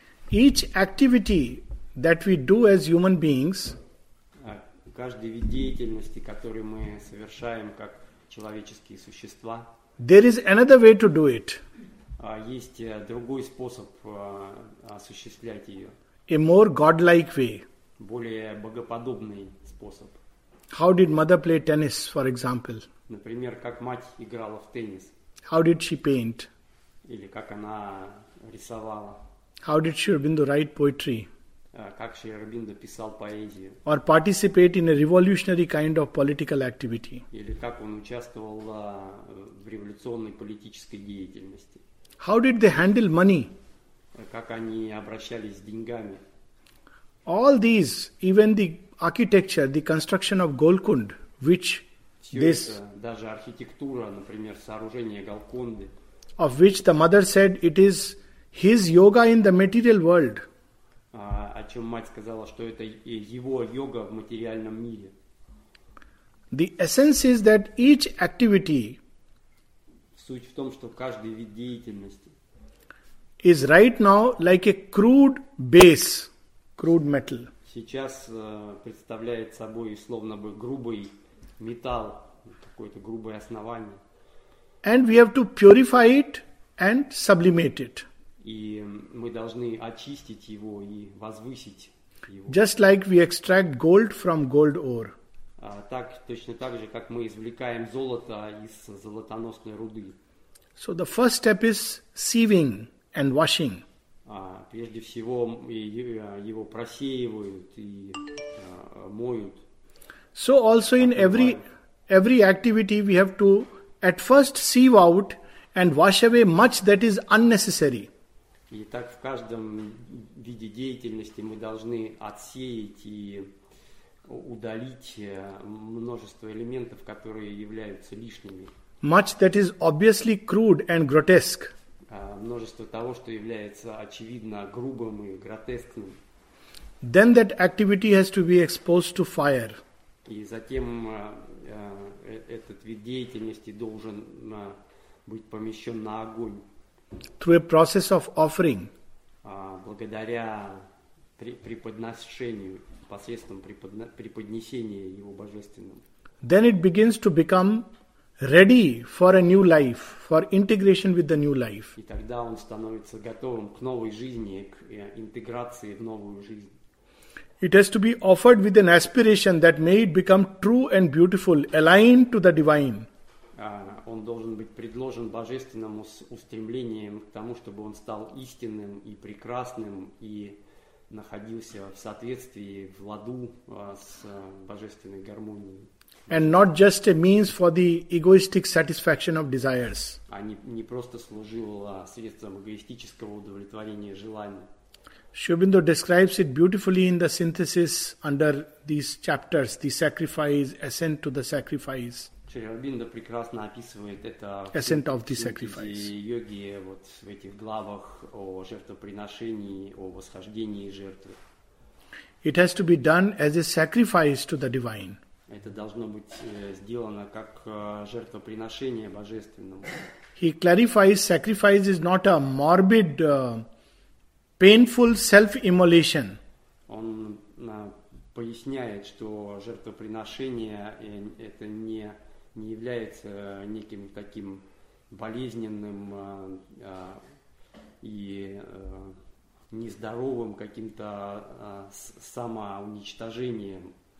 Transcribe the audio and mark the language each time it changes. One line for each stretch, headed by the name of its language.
English: Each activity that we do as human beings,
Russian: каждый вид деятельности, который мы совершаем как человеческие существа.
English: There is another way to do it.
Russian: Есть другой способ осуществлять ее.
English: A more godlike way.
Russian: Более богоподобный способ.
English: How did mother play tennis, for example?
Russian: Например, как мать играла в теннис.
English: How did she paint?
Russian: Или как она рисовала.
English: How did Sri Aurobindo write poetry?
Russian: Как Шри Аурбиндо писал поэзию.
English: Or participate in a revolutionary kind of political activity.
Russian: Или как он участвовал в революционной политической деятельности.
English: How did they handle money?
Russian: Как они обращались с деньгами.
English: All these, even the architecture, the construction of Golconda, which
Russian: все
English: this...
Russian: Это, даже архитектура, например, сооружение Голконды.
English: Of which the mother said it is his yoga in the material world.
Russian: О чем мать сказала, что это его йога в материальном мире.
English: The essence is that each activity...
Russian: Суть в том, что каждый вид деятельности...
English: Is right now like a crude base, crude metal.
Russian: Сейчас представляет собой словно бы грубый металл, какое-то грубое основание.
English: And we have to purify it and sublimate it.
Russian: И мы должны очистить его и возвысить его.
English: Just like we extract gold from gold ore.
Russian: Так, точно так же, как мы извлекаем золото из золотоносной руды.
English: So the first step is sieving and washing.
Russian: Прежде всего, его просеивают и моют.
English: So also in every activity we have to at first sieve out and wash away much that is unnecessary.
Russian: И так в каждом виде деятельности мы должны отсеять и удалить множество элементов, которые являются лишними.
English: Much that is obviously crude and grotesque.
Russian: Множество того, что является очевидно грубым и гротескным.
English: Then that activity has to be exposed to fire.
Russian: И затем этот вид деятельности должен быть помещен на огонь.
English: Through a process of offering.
Russian: Благодаря преподношению, посредством преподнесения его божественным.
English: Then it begins to become ready for a new life, for integration with the new life.
Russian: И тогда он становится готовым к новой жизни, к интеграции в новую жизнь.
English: It has to be offered with an aspiration that may it become true and beautiful, aligned to the divine.
Russian: Он должен быть предложен божественному устремлением к тому, чтобы он стал истинным и прекрасным и находился в соответствии, в ладу с божественной гармонией.
English: And not just a means for the egoistic satisfaction of desires.
Russian: А не просто служил средством эгоистического удовлетворения желаний.
English: Шри Аурбиндо describes it beautifully in the synthesis under these chapters, the sacrifice, ascent to the sacrifice.
Russian: Шри Аурбиндо прекрасно описывает это
English: Ascent of the Sacrifice.
Russian: Йоги вот в этих главах о жертвоприношении, о восхождении жертвы.
English: It has to be done as a sacrifice to the divine.
Russian: Это должно быть сделано как жертвоприношение божественному.
English: He clarifies sacrifice is not a morbid, painful self-immolation.
Russian: Он поясняет, что жертвоприношение это не является неким таким болезненным и нездоровым каким-то самоуничтожением.